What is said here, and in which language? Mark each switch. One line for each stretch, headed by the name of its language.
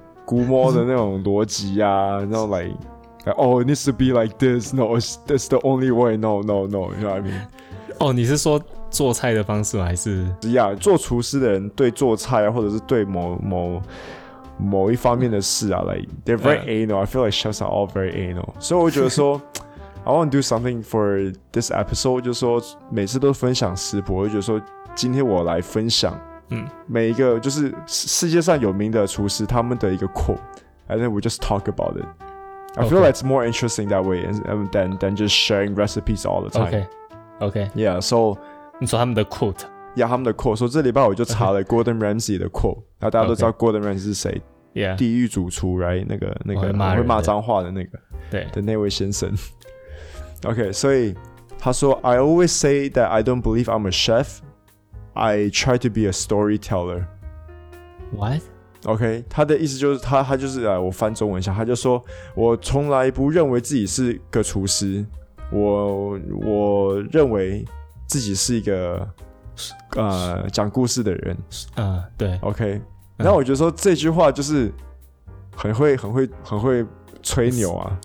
Chinese: 估摸的那种逻辑啊，然后
English: like oh it needs to be like this, no, that's the only way, no, no, no, you know what I mean?
Chinese: 哦，你是说做菜的方式吗？还是呀， yeah, 做厨师的人对做菜啊，或者是对某一方面的事啊，
English: like they're very anal. I feel like chefs are all very anal.
Chinese: 所以我觉得说
English: I want to do something for this episode.
Chinese: 就是说每次都分享食谱，我就觉得说今天我来分享。嗯，每一个就是世界上有名的厨师他们的一个 quote,
English: and then we just talk about it. I feel、 okay. like it's more interesting that way than just sharing recipes all the time. Okay, okay. Yeah, so
Chinese: 你说他们的 quote? Yeah, 他们的 quote. 所以这礼拜我就查了 Gordon Ramsay 的 quote, 然后大家都知道 Gordon Ramsay 是谁、
English: okay. yeah.
Chinese: 地狱主厨 right? 那个会骂脏话的那个对的那位先生。
English: Okay,
Chinese: 所以他说
English: I always say that I don't believe I'm a chef,I try to be a storyteller. What?
Chinese: Okay, 他的意思就是他就是、我翻中文一下，他就说我从来不认为自己是个厨师，我认为自己是一个讲故事的人。对。 Okay, 那我觉得说这句话就是很会吹牛啊。